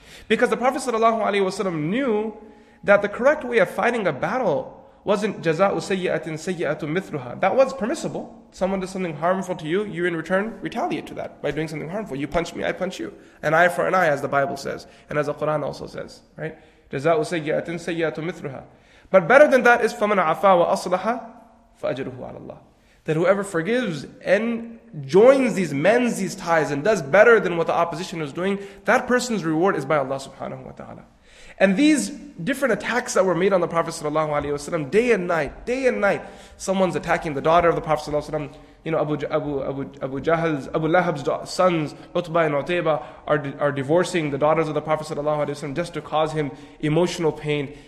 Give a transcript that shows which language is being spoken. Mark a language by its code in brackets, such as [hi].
[en] Because the Prophet sallallahu alaihi wasallam knew that the correct way of fighting a battle wasn't jaza'u sayyi'atin sayyi'atu mithruha. That was permissible. Someone does something harmful to you, you in return retaliate to that by doing something harmful. You punch me, I punch you. An eye for an eye, as the Bible says, and as the Quran also says, right? [ar] جزاء سيئة سيئة مثلها. [en] But better than that is [ar] فمن عفا وأصلح فأجره على الله. [en] That whoever forgives and joins these, mends these ties and does better than what the opposition is doing, that person's reward is by Allah subhanahu wa ta'ala. And these different attacks that were made on the Prophet sallallahu alaihi wasallam, day and night, someone's attacking the daughter of the Prophet sallallahu alaihi wasallam. You know, Abu Jahl's, Abu Lahab's sons, Utbah and Utaybah, are divorcing the daughters of the Prophet sallallahu alaihi wasallam just to cause him emotional pain.